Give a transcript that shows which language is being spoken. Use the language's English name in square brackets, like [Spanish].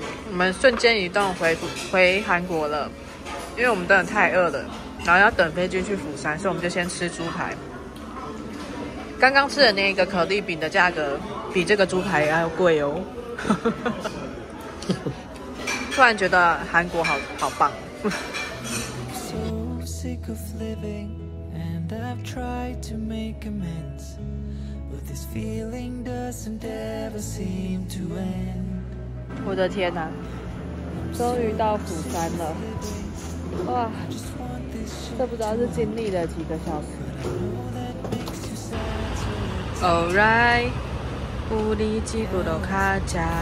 [Chinese] 我们瞬间移动回韩国了，因为我们真的太饿了，然后要等飞机去釜山，所以我们就先吃猪排。刚刚吃的那个可丽饼的价格比这个猪排还要贵哦，突然觉得韩国好棒。 [English] So sick of living, and I've tried to make amends, but this feeling doesn't ever seem to end. [Chinese] 我的天哪，终于到釜山了，哇，这不知道是经历了几个小时。 [English] All right， [Korean] 우리집으로가자。